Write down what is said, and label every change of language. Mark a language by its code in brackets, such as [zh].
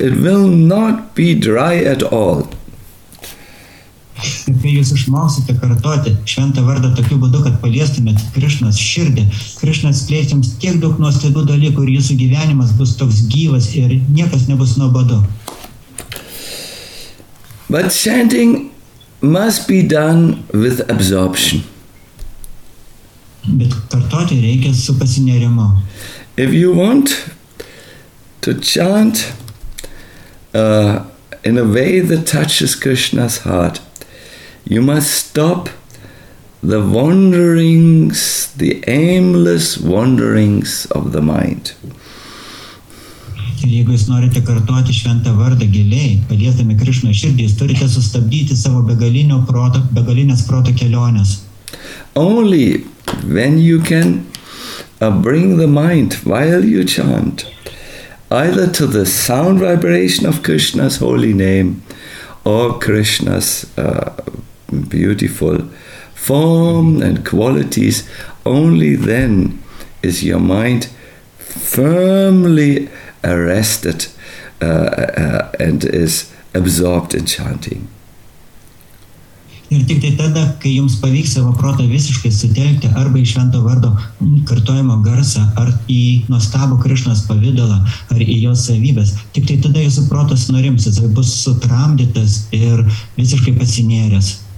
[en] It will not be dry at all. [lt] Ir kai jūs išmoksite kartuoti šventą vardą tokiu būdu, kad paliestumėt Krišnas širdį, Krišnas plės jums tiek daug nuostabių dalykų ir jūsų gyvenimas bus toks gyvas ir niekas nebus nuobodu. [en] But chanting must be done with absorption. [lt] Bet kartuoti reikia su pasinėrimu. [en] If you want to chant in a way that touches Krishna's heart, you must stop the wanderings, the aimless wanderings of the mind. [lt] Ir jeigu jūs norite kartuoti šventą vardą giliai, paliesdami Krišno širdį, jūs turite sustabdyti savo begalinės proto kelionės. [en] Only when you can bring the mind while you chant, either to the sound vibration of Krishna's holy name or Krishna's beautiful form and qualities, only then is your mind firmly arrested and is absorbed in chanting. [lt] Ir tik tai tada, kai jums pavyks savo protą visiškai sutelkti arba į švento vardo kartojimo garsą, ar į nuostabų Krišnos pavidalą, ar į jos savybės, tik tai tada jūsų protas norims, jis bus sutramdytas ir visiškai pasinėręs.